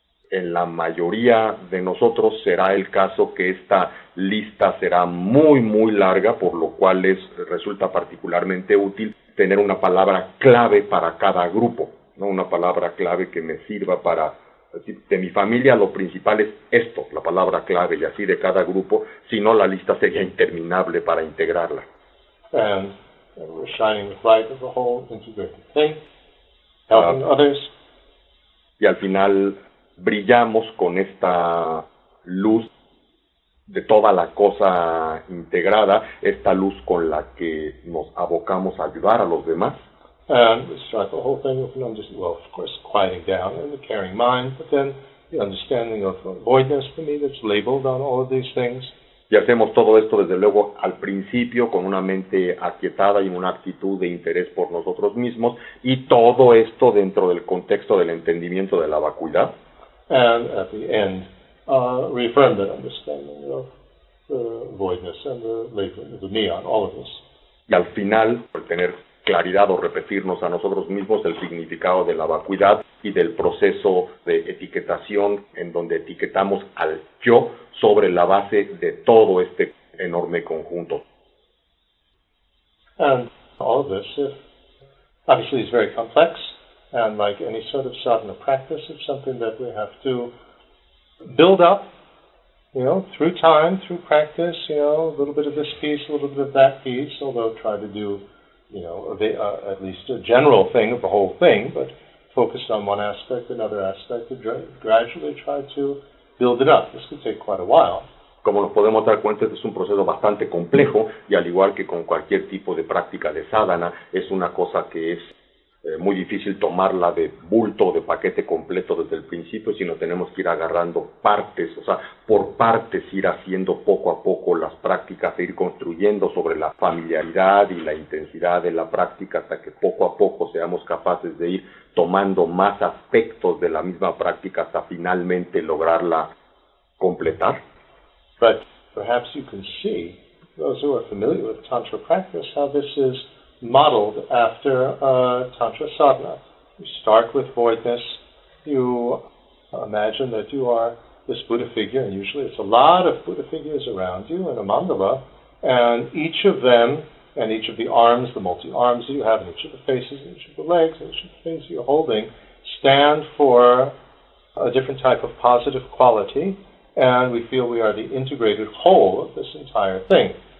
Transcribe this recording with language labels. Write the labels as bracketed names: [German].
[Spanish] En la mayoría de nosotros será el caso que esta lista será muy, muy larga, por lo cual resulta particularmente útil tener una palabra clave para cada grupo, ¿no? Una palabra clave que me sirva para... De mi familia lo principal es esto, la palabra clave, y así de cada grupo, si no la lista sería interminable para integrarla. [English] And we're shining the light of the whole integrated thing, helping others. [Spanish] Y al final brillamos con esta luz de toda la cosa integrada, esta luz con la que nos abocamos a ayudar a los demás. [English] And we start the whole thing with an understanding, well, of course, quieting down and the caring mind, but then the understanding of voidness for me that's labeled on all of these things. [Spanish] Y hacemos todo esto, desde luego, al principio, con una mente aquietada y una actitud de interés por nosotros mismos, y todo esto dentro del contexto del entendimiento de la vacuidad. [English] And at the end, reaffirm that understanding of the voidness and the labeling of the me on all of this. [Spanish] Y al final, por tener claridad o repetirnos a nosotros mismos el significado de la vacuidad y del proceso de etiquetación en donde etiquetamos al yo sobre la base de todo este enorme conjunto. [English] And all of this, if, obviously it's very complex, and like any sort of sadhana practice, it's something that we have to build up, you know, through time, through practice, you know, a little bit of this piece, a little bit of that piece, although try to do, you know, they are at least a general thing of the whole thing, but focus on one aspect, another aspect, and gradually try to build it up. This could take quite a while. [Spanish] Como nos podemos dar cuenta, este es un proceso bastante complejo, y al igual que con cualquier tipo de práctica de sadhana, es una cosa que es muy difícil tomarla de bulto o de paquete completo desde el principio, sino tenemos que ir agarrando partes, o sea, por partes ir haciendo poco a poco las prácticas e ir construyendo sobre la familiaridad y la intensidad de la práctica hasta que poco a poco seamos capaces de ir tomando más aspectos de la misma práctica hasta finalmente lograrla completar. [English] But perhaps you can see, those who are familiar with tantra practice, how this is modeled after tantra sadhana. You start with voidness, you imagine that you are this Buddha figure, and usually it's a lot of Buddha figures around you in a mandala, and each of them, and each of the arms, the multi-arms that you have, and each of the faces, and each of the legs, and each of the things you're holding, stand for a different type of positive quality, and we feel we are the integrated whole of this entire thing.